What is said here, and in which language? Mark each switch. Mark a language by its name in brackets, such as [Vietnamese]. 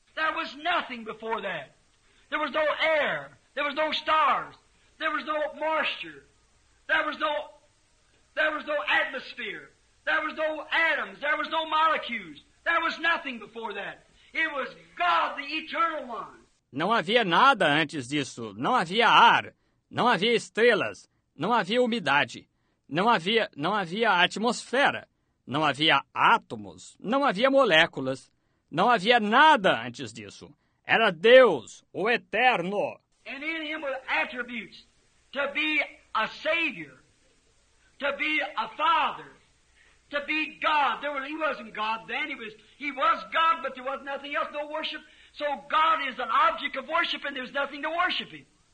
[English] There was nothing before that. There was no air. There was no stars. There was no moisture. There was no atmosphere. There was no atoms. There was no molecules. There was nothing before that. It was God, the eternal one. [Portuguese] Não havia nada antes disso. Não havia ar. Não havia estrelas. Não havia umidade. Não havia atmosfera. Não havia átomos. Não havia moléculas. Não havia nada antes disso. Era Deus, o Eterno. [English] And in him were attributes to be a Savior, to be a Father, to be God. There were, he wasn't God then. He was God, but there was nothing else, no worship. So God is an object of worship, and there's nothing to worship him.